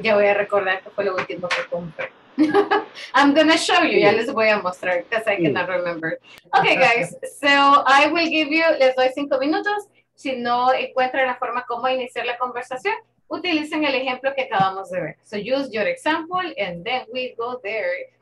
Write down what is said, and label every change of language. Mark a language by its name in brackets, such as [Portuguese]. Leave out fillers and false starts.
[Spanish] Ya voy a recordar que fue lo último que compré. [English] I'm going to show you. [Spanish] Ya les voy a mostrar [English] because I cannot remember. Okay, guys. So, I will give you, [Spanish] les doy 5 minutos. Si no encuentran la forma como iniciar la conversación, utilicen el ejemplo que acabamos de ver. [English] So, use your example and then we go there.